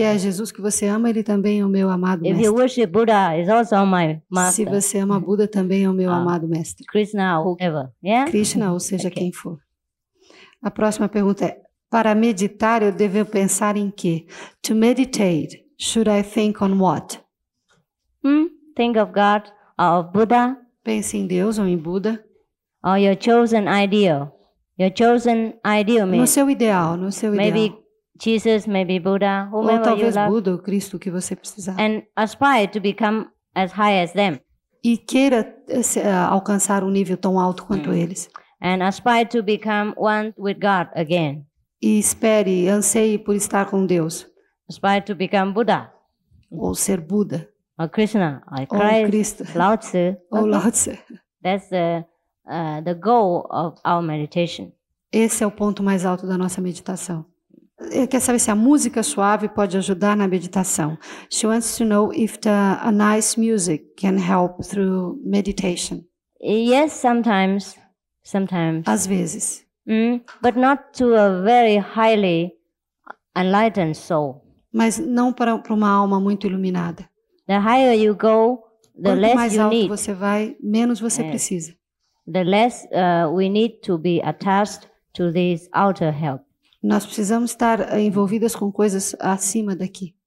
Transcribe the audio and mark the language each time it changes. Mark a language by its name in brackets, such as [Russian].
[Portuguese] Se é Jesus que você ama, ele também é o meu amado mestre. [English] If you worship Buddha, he's also my master. [Portuguese] Se você ama Buda, também é o meu amado mestre. [English] Krishna, whoever. Yeah? [Portuguese] Krishna, ou seja, okay. quem for. A próxima pergunta é: para meditar, eu devo pensar em quê? [English] To meditate, should I think on what? Think of God or of Buddha. [Portuguese] Pense em Deus ou em Buda. [English] Or your chosen ideal. Your chosen ideal. [Portuguese] No seu ideal, no seu [English] maybe [Portuguese] ideal. [English] Maybe Jesus, maybe Buddha, whomever you love. [Portuguese] Ou talvez Buda ou Cristo, que você precisar. [English] And aspire to become as high as them. [Portuguese] E queira alcançar nível tão alto quanto eles. [English] And aspire to become one with God again. [Portuguese] E espere, anseie por estar com Deus. [English] Aspire to become Buddha. [Portuguese] Ou ser Buda. [English] Or Krishna, or Christ, Cristo. Lao Tzu. [Portuguese] Ou Lao Tzu. [English] That's the goal of our meditation. [Portuguese] Esse é o ponto mais alto da nossa meditação. Quer saber se a música suave pode ajudar na meditação? [English] She wants to know if a nice music can help through meditation. Yes, sometimes. [Portuguese] Às vezes. [English] But not to a very highly enlightened soul. [Portuguese] Mas não para uma alma muito iluminada. [English] The higher you go, the [Portuguese] quanto [English] less [Portuguese] mais [English] you [Portuguese] alto [English] need. [Portuguese] Você vai, menos você precisa. [English] The less we need to be attached to this outer help. [Portuguese] Nós precisamos estar envolvidas com coisas acima daqui.